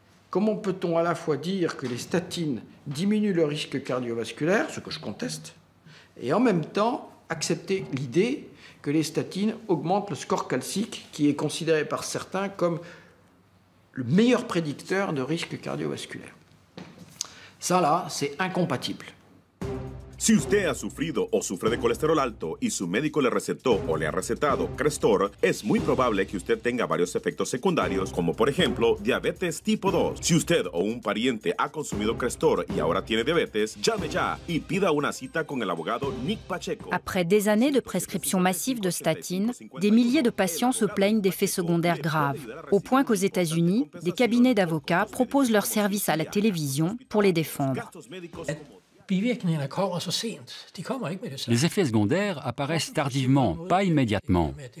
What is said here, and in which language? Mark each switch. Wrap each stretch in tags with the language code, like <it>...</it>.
<fr>Comment peut-on à la fois dire que les statines diminuent le risque cardiovasculaire, ce que je conteste, et en même temps accepter l'idée que les statines augmentent le score calcique, qui est considéré par certains comme le meilleur prédicteur de risque cardiovasculaire. Ça là, c'est incompatible.</fr> <es>Si usted ha sufrido o sufre de colesterol alto y su médico le recetó o le ha recetado Crestor, es muy probable que usted tenga varios efectos secundarios, como por ejemplo, diabetes tipo 2. Si usted o un pariente ha consumido Crestor y ahora tiene diabetes, llame ya y pida una cita con el abogado Nick Pacheco.</es> <fr>Après des années de prescription massive de statines, des milliers de patients se plaignent d'effets secondaires graves, au point qu'aux États-Unis, des cabinets d'avocats proposent leurs services à la télévision pour les défendre. Les effets secondaires apparaissent tardivement, pas immédiatement.</fr>